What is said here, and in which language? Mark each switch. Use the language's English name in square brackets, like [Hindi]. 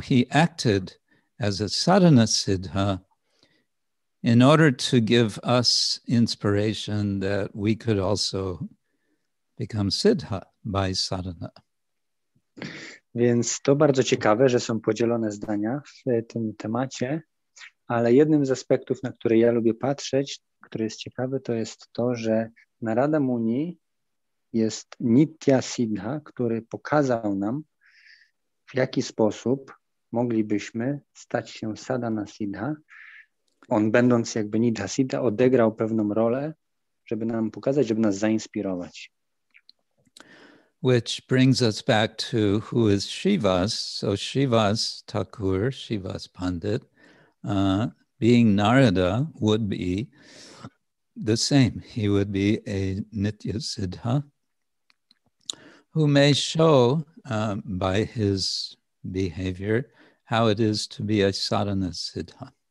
[English] acted as a sadhana siddha in order to give us inspiration that we could also become siddha by sadhana. [Polish] Więc to bardzo ciekawe, że są podzielone zdania w tym temacie, ale jednym z aspektów, na które ja lubię patrzeć, który jest ciekawy, to jest to, że Narada Muni jest Nitya Siddha, który pokazał nam, w jaki sposób moglibyśmy stać się Sadhana Siddha. On, będąc jakby Nitya Siddha, odegrał pewną rolę, żeby nam pokazać, żeby nas zainspirować. [English] Which brings us back to who is Shivas. So Shivas Thakur, Shivas Pandit, being Narada, would be the same. He would be a Nitya Siddha who may show by his behavior how it is to be a Sadhana Siddha.